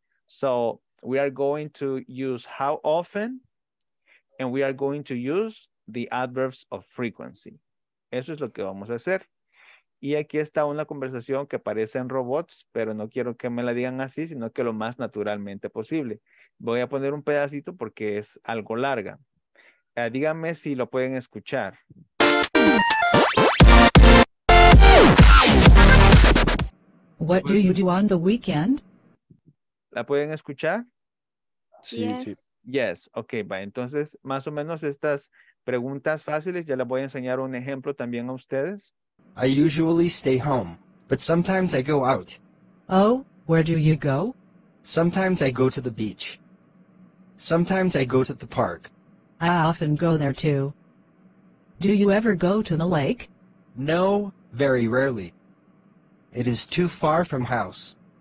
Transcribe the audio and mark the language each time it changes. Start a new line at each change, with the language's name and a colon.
English: So we are going to use how often, and we are going to use the adverbs of frequency.
Spanish: Eso es lo que vamos a hacer. Y aquí está una conversación que parece en robots, pero no quiero que me la digan así, sino que lo más naturalmente posible. Voy a poner un pedacito porque es algo larga. Díganme si lo pueden escuchar.
English: What do you do on the weekend?
Spanish: ¿La pueden escuchar? Sí, sí.
English: Yes, ok, va.
Spanish: Entonces, más o menos estas preguntas fáciles, ya les voy a enseñar un ejemplo también a ustedes.
English: I usually stay home, but sometimes I go out. Oh, where do you go? Sometimes I go to the beach. Sometimes I go to the park. I often go there too. Do you ever go to the lake? No, very rarely. It is too far from house.